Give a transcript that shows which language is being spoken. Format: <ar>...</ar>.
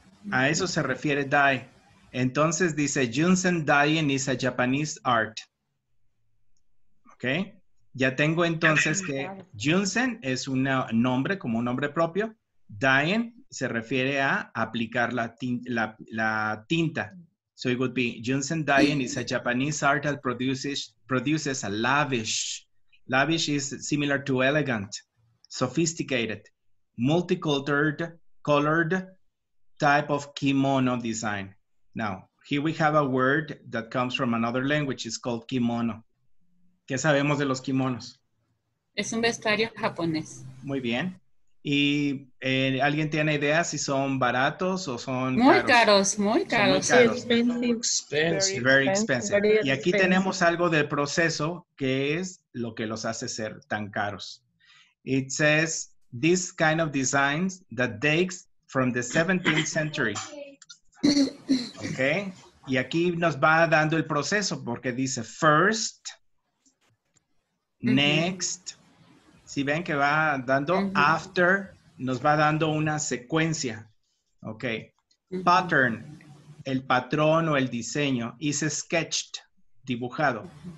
<es>A eso se refiere dye. Entonces dice,</es> <en>Junsen dyeing is a Japanese art.</en> <es>¿Ok? Ya tengo entonces que Junsen es un nombre, como un nombre propio. Dyeing se refiere a aplicar la tinta.</es> <en>So it would be Junsen Dyeing is a Japanese art that produces a lavish. Lavish is similar to elegant, sophisticated, multicolored, colored type of kimono design. Now, here we have a word that comes from another language. It's called kimono.</en> <es>¿Qué sabemos de los kimonos? Es un vestuario japonés. Muy bien. ¿Y alguien tiene idea si son baratos o son muy caros? Muy caros. Sí, expensive.</es> <en>Very expensive.</en> <es>Y aquí tenemos algo del proceso que es lo que los hace ser tan caros.</es> <en>It says, this kind of designs that dates from the 17th century. Okay.</en> <es>Y aquí nos va dando el proceso porque dice first, next, si ven que va dando after, nos va dando una secuencia. Ok. Pattern, el patrón o el diseño,</es> <en>is sketched,</en> <es>dibujado.</es>